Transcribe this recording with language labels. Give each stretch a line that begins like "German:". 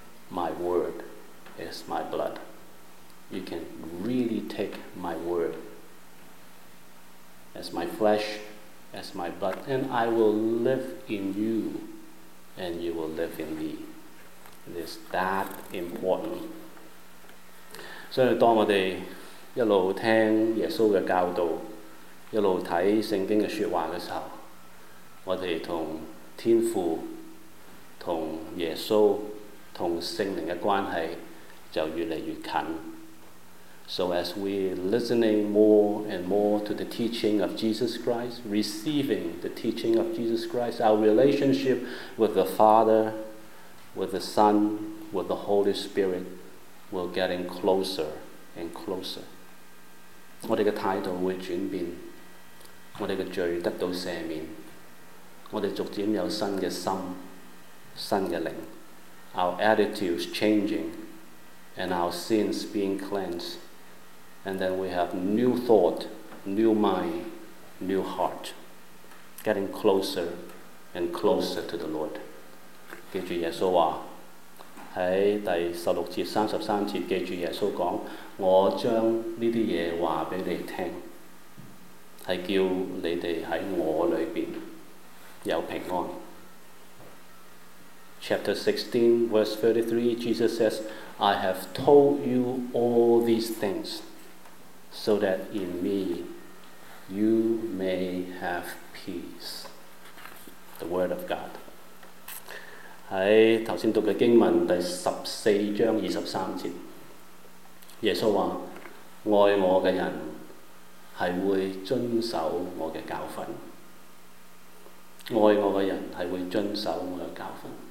English: My word is my blood. You can really take my word as my flesh, as my blood, and I will live in you, and you will live in me. It is that important.
Chinese: So, 当我们一路听耶稣的教导，一路看圣经的说话的时候，我们同天父同耶稣同圣灵的关系就越来越近。
English: So as we listening more and more to the teaching of Jesus Christ, receiving the teaching of Jesus Christ, our relationship with the Father, with the Son, with the Holy Spirit will getting closer and closer. 我们的态度会转变，我们的罪得到赦免，我们逐渐有新的心，新的灵， our attitudes changing and our sins being cleansed, and then we have new thought, new mind, new heart, getting closer and closer to the Lord.
Chinese: 记住耶稣话，在第十六节三十三节，记住耶稣讲，我将这些话告诉你听，是叫你们在我里面有平安。
English: Chapter 16, verse 33, Jesus says, I have told you all these things so that in me you may have peace. The word of God.
Chinese: 在剛才讀的經文第14:23，耶穌說愛我的人是會遵守我的教訓，愛我的人是會遵守我的教訓。